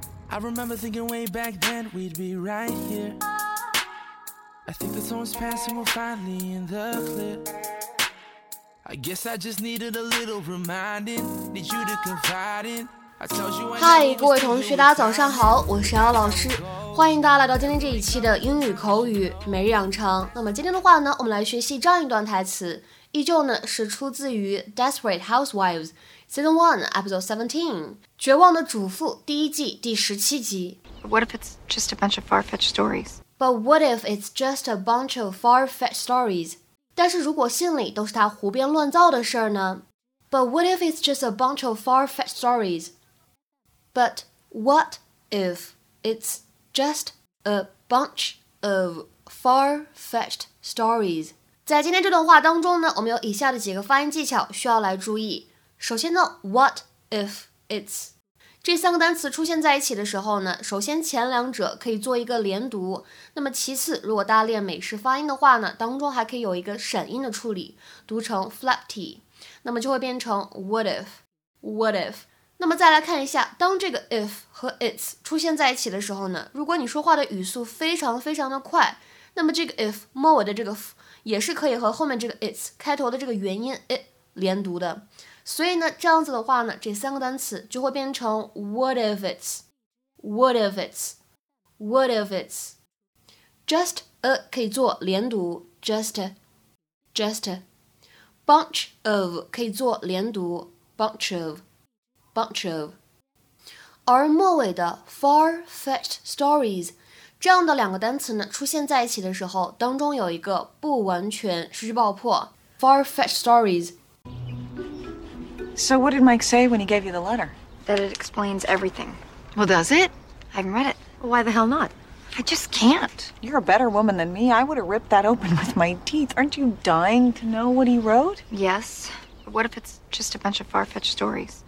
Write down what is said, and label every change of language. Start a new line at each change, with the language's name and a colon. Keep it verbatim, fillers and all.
English: I remember thinking way back then we'd be right here. I think the storm's passing, we're finally in the clear. I guess I just needed a little reminding. Need you to confide in.
Chinese: 嗨，各位同学，大家早上好，我是姚老师，欢迎大家来到今天这一期的英语口语每日养成。那么今天的话呢，我们来学习这样一段台词，依旧呢是出自于 Desperate Housewives Season one Episode seventeen 绝望的主妇第一季第十七集。
English: What if it's just a bunch of far-fetched stories? But what if it's just a bunch of far-fetched stories?
Chinese: 但是如果心里都是他胡编乱造的事儿呢？
English: But what if it's just a bunch of far-fetched stories? But what if it's just a bunch of far-fetched stories?
Chinese: 在今天这段话当中呢，我们有以下的几个发音技巧需要来注意。首先呢 ，
English: what if it's
Chinese: 这三个单词出现在一起的时候呢，首先前两者可以做一个连读。那么其次，如果大家练美式发音的话呢，当中还可以有一个闪音的处理，读成 flap t， 那么就会变成
English: what if, what if。
Chinese: 那么再来看一下，当这个 if 和 it's 出现在一起的时候呢，如果你说话的语速非常非常的快，那么这个 if 末尾的这个 f 也是可以和后面这个 it's 开头的这个元音 it 连读的。所以呢，这样子的话呢，这三个单词就会变成
English: what if it's, what if it's,
Chinese: what if it's。
English: just a
Chinese: 可以做连读
English: just a, just a。 bunch of
Chinese: 可以做连读
English: bunch of。 bunch of
Chinese: 而末尾的
English: far-fetched stories
Chinese: 这样的两个单词呢出现在一起的时候，当中有一个不完全失去爆破 far-fetched stories。
English: So what did Mike say when he gave you the letter? That it explains everything. Well, does it? I haven't read it. Well, why the hell not? I just can't. You're a better woman than me. I would have ripped that open with my teeth. Aren't you dying to know what he wrote? Yes. What if it's just a bunch of far-fetched stories?